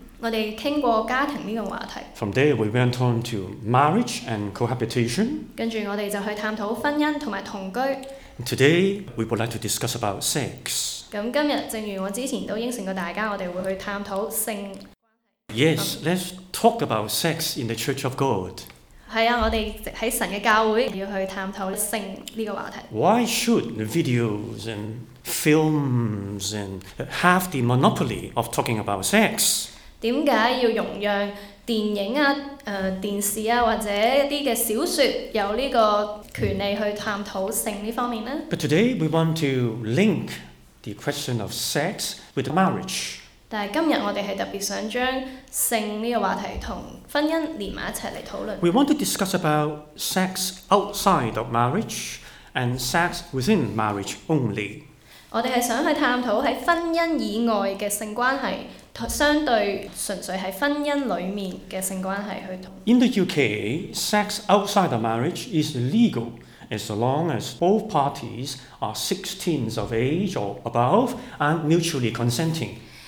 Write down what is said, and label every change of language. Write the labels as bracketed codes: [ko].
[yue] 我哋傾過家庭呢個話題。 [en] From there, we went on to marriage and cohabitation. [yue] 跟住我哋就去探討婚姻同埋同居。 [en] Today, we would like to discuss about sex. [yue] 咁今日正如我之前都應承過大家，我哋會去探討性。 [en] Yes, let's talk about sex in the Church of God. [yue] 係啊，我哋喺神嘅教會要去探討性呢個話題。 [en] Why should videos and films and have the monopoly of talking about sex? [yue] 點解要容讓電影啊、電視啊或者一啲嘅小説有呢個權利去探討性呢方面呢 [en] ？But today we want to link the question of sex with marriage. [yue] 但係今日我哋係特別想將性呢個話題同婚姻連埋一齊嚟討論。 [en] We want to discuss about sex outside of marriage and sex within marriage only. [yue] 我哋係想去探討喺婚姻以外嘅性關係。相對純粹係婚姻裡面嘅性關係去同。 [en] In the UK, sex outside of marriage is legal as long as both parties are 16 of age or above and mutually consenting.